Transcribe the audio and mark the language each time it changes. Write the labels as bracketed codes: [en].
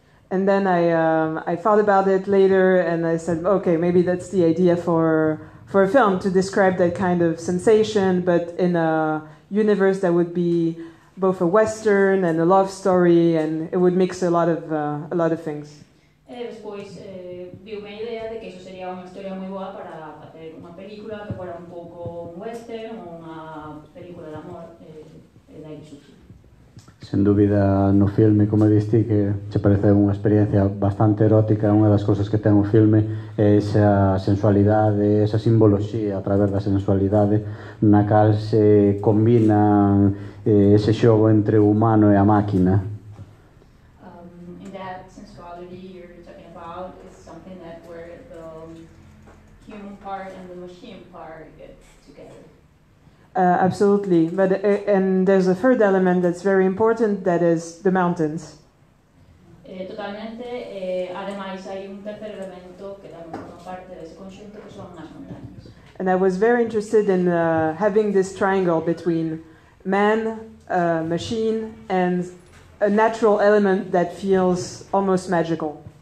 [en] And then I thought about it later and I said, okay, maybe that's the idea for a film, to describe that kind of sensation, but in a universe that would be both a western and a love story, and it would mix a lot of things. [gl] E despois vi unha idea de que iso sería unha historia moi boa para facer unha película que fora un pouco un western ou unha película de amor de aire sucio. Sen dúbida, no filme, como diste, que che parece unha experiencia bastante erótica, unha das cousas que ten o filme é esa sensualidade, esa simboloxía a través da sensualidade na cal se combinan ese xogo entre o humano e a máquina. [en] In that sensuality you're talking about is something that where the human part and the machine part get together. Absolutely, but and there's a third element that's very important, that is the mountains. [es] Totalmente, además hay un tercer elemento que también forma parte de ese conjunto que son las montañas. [en] And I was very interested in having this triangle between man, machine, and a natural element that feels almost magical.